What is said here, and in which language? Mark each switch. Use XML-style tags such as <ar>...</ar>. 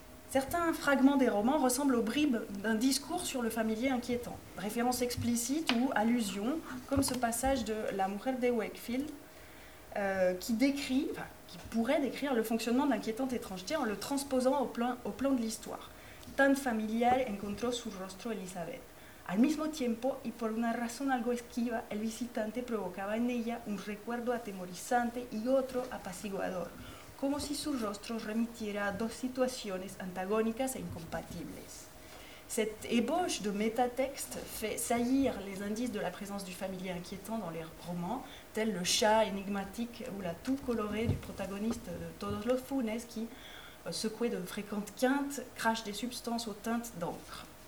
<fr>Certains fragments des romans ressemblent aux bribes d'un discours sur le familier inquiétant, référence explicite ou allusion, comme ce passage de La Mujer de Wakefield, qui pourrait décrire le fonctionnement de l'inquiétante étrangeté en le transposant au plan de l'histoire.</fr> <es>Tan familiar encontró su rostro Elizabeth. Al mismo tiempo, y por una razón algo esquiva, el visitante provocaba en ella un recuerdo atemorizante y otro apaciguador, como si su rostro remitiera a dos situaciones antagónicas e incompatibles.</es> <fr>Cette ébauche de métatexte fait saillir les indices de la présence du familier inquiétant dans les romans, tels le chat énigmatique ou la toux colorée du protagoniste de Todos los Funes qui, secoué de fréquentes quintes, crache des substances aux teintes d'encre.</fr>